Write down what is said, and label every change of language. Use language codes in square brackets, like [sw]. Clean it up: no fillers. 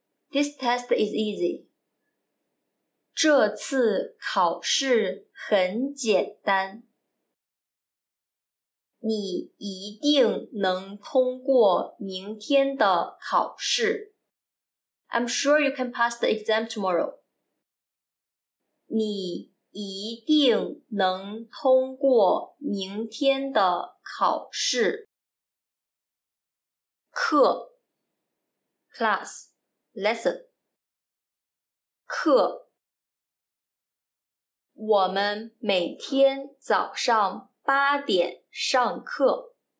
[en] This test is easy. [zh] 这次考试很简单。你一定能通过明天的考试。 [en] I'm sure you can pass the exam tomorrow. [zh] 你一定能通过明天的考试。课 [en] Class Lesson [zh] 课我们每天早上八点上课。